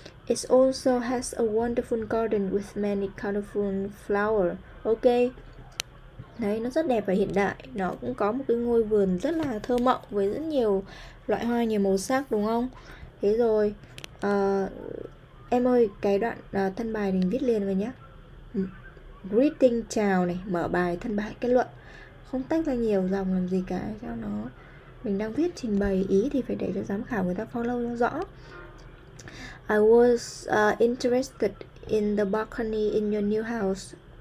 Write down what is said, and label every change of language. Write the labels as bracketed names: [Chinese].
[English] It also has a wonderful garden with many colorful flowers. Ok. [Vietnamese] Đấy, nó rất đẹp và hiện đại. Nó cũng có một cái ngôi vườn rất là thơ mộng với rất nhiều loại hoa, nhiều màu sắc đúng không? Thế rồi. Em ơi, cái đoạn thân bài mình viết liền rồi nhé. Greeting chào này, mở bài, thân bài, kết luận. Không tách ra nhiều dòng làm gì cả cho nó. Mình đang viết trình bày ý thì phải để cho giám khảo người ta follow cho rõ. [English] I was interested in the balcony in your new house.